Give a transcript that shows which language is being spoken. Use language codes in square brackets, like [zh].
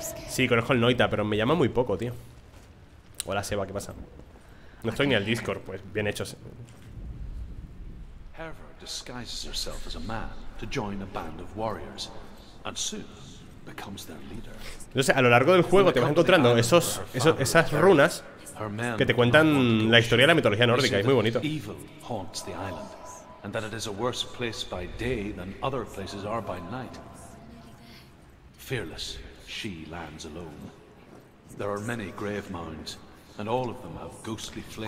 [es] Sí, conozco el Noita, pero me llama muy poco, tío. Hola, Seba, ¿qué pasa? No estoy ni al Discord, pues bien hecho. [en] Hervor disguises herself as a man to join a band of warriors and soon becomes their leader. [es] Entonces, a lo largo del juego te vas encontrando esas runas que te cuentan la historia de la mitología nórdica, es muy bonito. [en] Evil haunts the island and that it is a worse place by day than other places are by night. Fearless. She lands alone. There are many grave mounds, and all of them have ghostly flames.